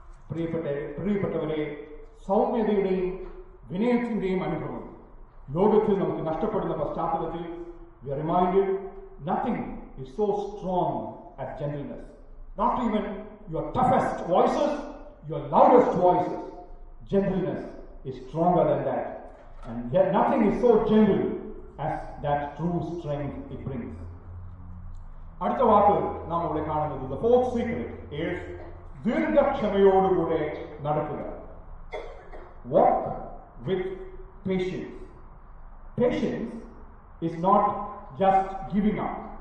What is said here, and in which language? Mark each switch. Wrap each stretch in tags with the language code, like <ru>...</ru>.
<ml>പ്രിയപ്പെട്ടവരെ, സൗമ്യതയുടെയും വിനയത്തിന്റെയും അനുഭവം ലോകത്തിൽ നമുക്ക് നഷ്ടപ്പെടുന്ന പശ്ചാത്തലത്തിൽ</ml> <en>We are reminded nothing is so strong as gentleness. Not even your toughest voices, your loudest voices, gentleness is stronger than that. And yet nothing is so gentle as that true strength it brings.</en> <ml>അടുത്ത വാക്ക് നാം ഇവിടെ കാണുന്നത്,</ml> <en>the fourth secret is</en> <ml>ദീർഘക്ഷമയോടുകൂടെ നടക്കുക.</ml> <en>Walk with patience. Patience is not just giving up.</en>